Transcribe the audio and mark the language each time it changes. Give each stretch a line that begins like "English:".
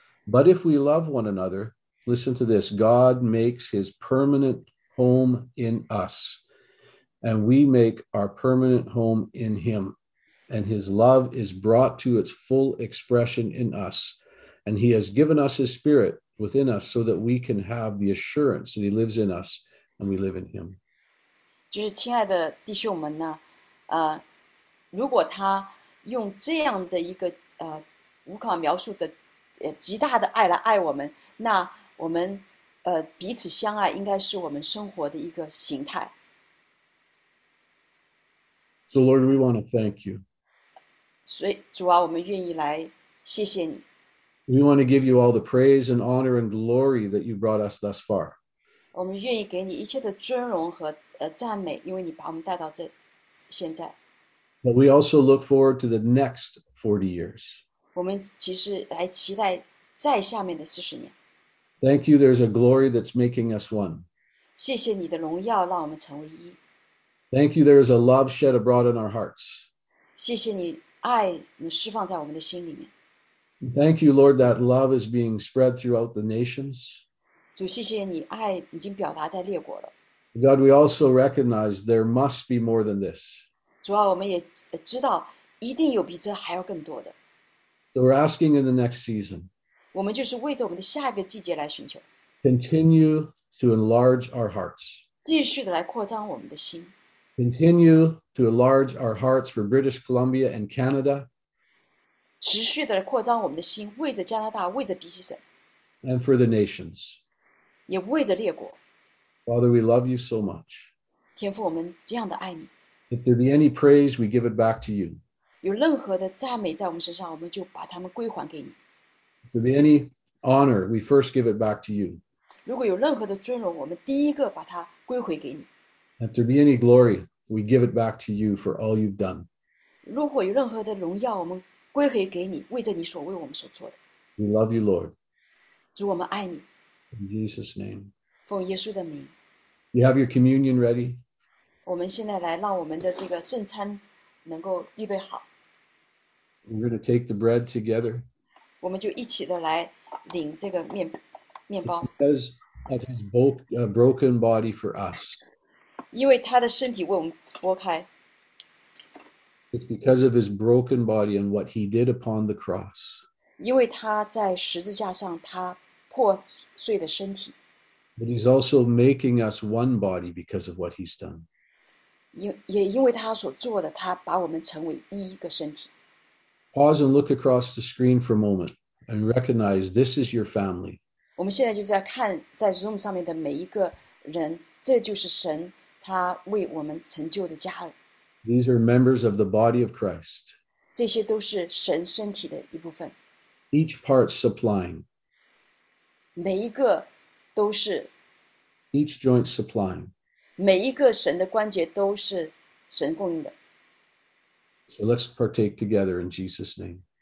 English: But if we love one another, listen to this, God makes his permanent home in us, and we make our permanent home in him. And his love is brought to its full expression in us, and he has given us his spirit within us so that we can have the assurance that he lives in us and we live in him.
Chinese: 就是亲爱的弟兄们呢，如果他用这样的一个无法描述的极大的爱来爱我们，那我们彼此相爱应该是我们生活的一个形态。
English: So Lord, we want to thank you.
Chinese: 所以主啊，我们愿意来谢谢你。
English: We want to give you all the praise and honor and glory that you brought us thus far.
Chinese: 我们愿意给你一切的尊荣和赞美，因为你把我们带到这现在。
English: But we also look forward to the next 40 years.
Chinese: 我们其实来期待再下面的40年。
English: Thank you, there's a glory that's making us one.
Chinese: 谢谢你的荣耀让我们成为一。
English: Thank you, there's a love shed abroad in our hearts.
Chinese: 谢谢你爱你释放在我们的心里面。
English: Thank you, Lord, that love is being spread throughout the nations.
Chinese: 主，谢谢你，爱已经表达在列国了。
English: God, we also recognize there must be more than this.
Chinese: 主啊，我们也知道一定有比这还要更多的。
English: So we're asking in the next season.
Chinese: 我们就是为着我们的下一个季节来寻求。
English: Continue to enlarge our hearts.
Chinese: 继续的来扩张我们的心。
English: Continue to enlarge our hearts for British Columbia and Canada.
Chinese: 持续地扩张我们的心，为着加拿大，为着 BC 省。
English: And for the nations.
Chinese: 也为着列国。
English: Father, we love you so much.
Chinese: 天父，我们这样的爱你。
English: If there be any praise, we give it back to you.
Chinese: 有任何的赞美在我们身上，我们就把它们归还给你。
English: If there be any honor, we first give it back to you.
Chinese: 如果有任何的尊荣，我们第一个把它归回给你。
English: If there be any glory, we give it back to you for all you've done.
Chinese: 如果有任何的荣耀，我们归回给你，为着你所为我们所做的。
English: We love you, Lord.
Chinese: 主，我们爱你。
English: In Jesus' name.
Chinese: 奉耶稣的名。
English: You have your communion ready.
Chinese: 我们现在来让我们的这个圣餐能够预备好。
English: We're going to take the bread together.
Chinese: 我们就一起的来领这个面包。
English: Because of his broken body for us.
Chinese: 因为他的身体为我们剥开。
English: It's because of his broken body and what he did upon the cross.
Chinese: 因为他在十字架上他破碎的身体。
English: But he's also making us one body because of what he's done.
Chinese: 也因为他所做的，他把我们成为一个身体。
English: Pause and look across the screen for a moment and recognize this is your family.
Chinese: 我们现在就在看在 Zoom 上面的每一个人，这就是神他为我们成就的家人。
English: These are members of the body of Christ.
Chinese: 这些都是神身体的一部分。
English: Each part supplying.
Chinese: 每一个都是。
English: Each joint supplying.
Chinese: 每一个神的关节都是神供应的。
English: So let's partake together in Jesus' name.